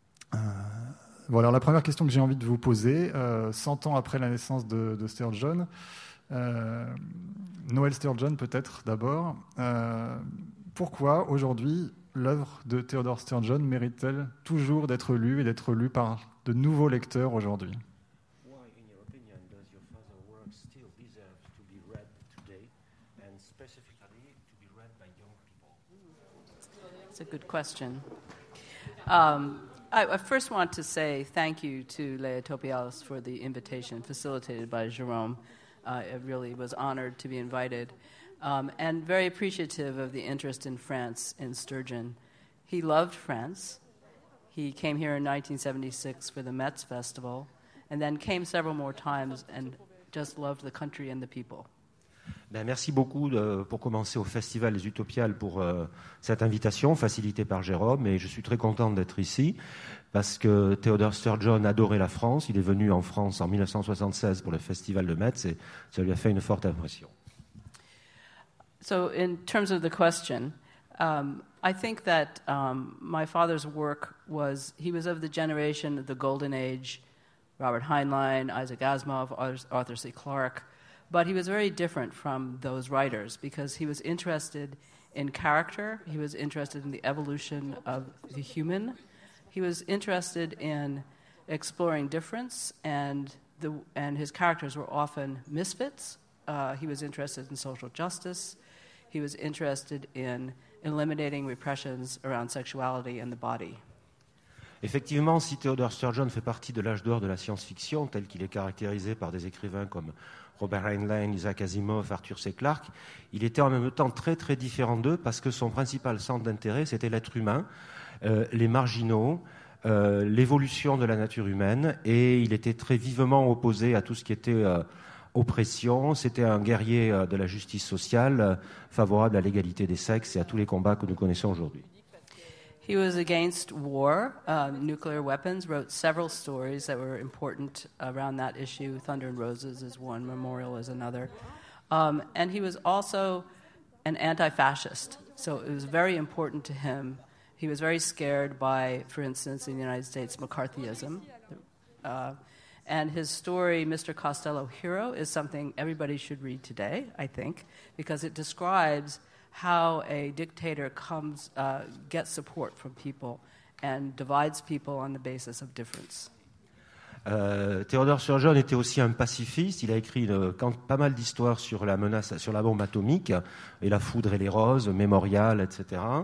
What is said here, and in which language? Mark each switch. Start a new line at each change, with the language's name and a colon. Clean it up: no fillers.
French: Bon, alors la première question que j'ai envie de vous poser, 100 ans après la naissance de Sturgeon, Noël Sturgeon peut-être d'abord, pourquoi aujourd'hui l'œuvre de Theodore Sturgeon mérite-t-elle toujours d'être lue et d'être lue par de nouveaux lecteurs aujourd'hui ?
English: Why, in your opinion, does your father's work still deserve to be read today and specifically to be read by young people? It's a good question. I first want to say thank you to Léa Topiales for the invitation facilitated by Jérôme. I really was honored to be invited, and very appreciative of the interest in France in Sturgeon. He loved France. He came here in 1976 for the Metz Festival, and then came several more times and just loved the country and the people.
French: Ben, merci beaucoup pour commencer au Festival des Utopiales pour cette invitation facilitée par Jérôme, et je suis très content d'être ici parce que Theodore Sturgeon adorait la France. Il est venu en France en 1976 pour le Festival de Metz et ça lui a fait une forte impression.
English: So in terms of the question, I think that my father's work was, he was of the generation of the Golden Age, Robert Heinlein, Isaac Asimov, Arthur C. Clarke, but he was very different from those writers because he was interested in character, he was interested in the evolution of the human, he was interested in exploring difference, and his characters were often misfits. He was interested in social justice, he was interested in eliminating repressions around sexuality and the body.
French: Effectivement, si Theodore Sturgeon fait partie de l'âge d'or de la science-fiction, tel qu'il est caractérisé par des écrivains comme Robert Heinlein, Isaac Asimov, Arthur C. Clarke, il était en même temps très très différent d'eux parce que son principal centre d'intérêt, c'était l'être humain, les marginaux, l'évolution de la nature humaine, et il était très vivement opposé à tout ce qui était oppression. C'était un guerrier de la justice sociale, favorable à l'égalité des sexes et à tous les combats que nous connaissons aujourd'hui.
English: He was against war, nuclear weapons, wrote several stories that were important around that issue. Thunder and Roses is one, Memorial is another. And he was also an anti-fascist, so it was very important to him. He was very scared by, for instance, in the United States, McCarthyism. And his story, Mr. Costello Hero, is something everybody should read today, I think, because it describes how a dictator comes, gets support from people and divides people on the basis of difference.
French: Theodore Sturgeon était aussi un pacifiste. Il a écrit pas mal d'histoires sur la menace, sur la bombe atomique et la foudre et les roses, Mémorial, etc.